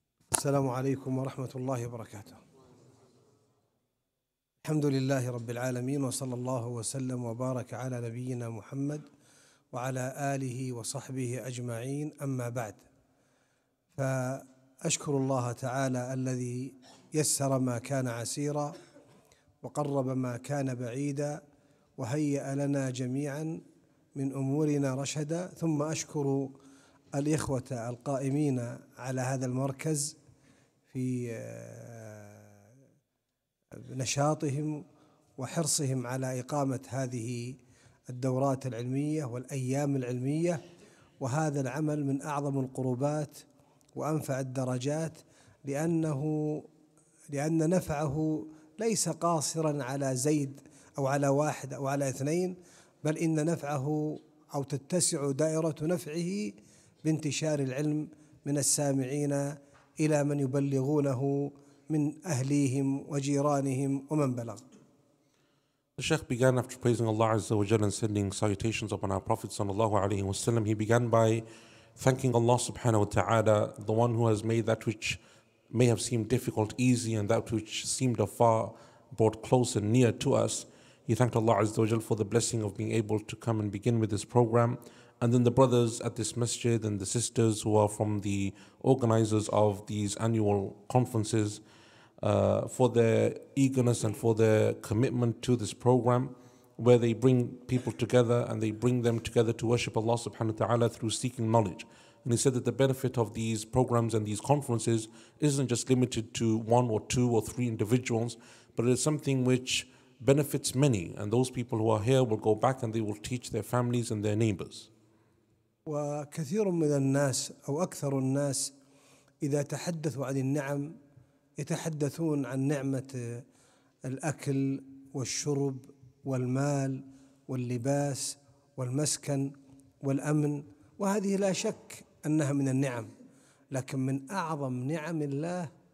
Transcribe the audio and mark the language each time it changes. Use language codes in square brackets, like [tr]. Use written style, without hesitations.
[ar] Assalamu alaikum wa rahmatullahi wa barakatuh. Alhamdulillahi rabbil alameen wa sallallahu wa sallam wa baraka ala nabiyyina Muhammad وعلى آله وصحبه أجمعين. أما بعد، فأشكر الله تعالى الذي يسر ما كان عسيرا وقرب ما كان بعيدا وهيأ لنا جميعا من أمورنا رشدا، ثم أشكر الإخوة القائمين على هذا المركز في نشاطهم وحرصهم على إقامة هذه الدورات العلمية والأيام العلمية، وهذا العمل من أعظم القربات وأنفع الدرجات، لأن نفعه ليس قاصرا على زيد أو على واحد أو على اثنين، بل إن نفعه أو تتسع دائرة نفعه بانتشار العلم من السامعين إلى من يبلغونه من أهليهم وجيرانهم ومن بلغ. [en] The Shaykh began after praising Allah Azza wa Jalla and sending salutations upon our Prophet Sallallahu Alaihi Wasallam. He began by thanking Allah Subhanahu Wa Ta'ala, the one who has made that which may have seemed difficult easy and that which seemed afar brought close and near to us. He thanked Allah Azza wa Jalla for the blessing of being able to come and begin with this program. And then the brothers at this masjid and the sisters who are from the organizers of these annual conferences, for their eagerness and for their commitment to this program, where they bring people together and they bring them together to worship Allah subhanahu wa ta'ala through seeking knowledge. And he said that the benefit of these programs and these conferences isn't just limited to one or two or three individuals, but it is something which benefits many, and those people who are here will go back and they will teach their families and their neighbors. [ar] وَكَثِيرٌ مِّنَ النَّاسِ أَوْ أَكْثَرُ النَّاسِ إِذَا تَحَدَّثُوا عَنِ النِّعَمِ يتحدثون عن نعمة الأكل والشرب والمال واللباس والمسكن والأمن، وهذه لا شك أنها من النعم، لكن من أعظم نعم الله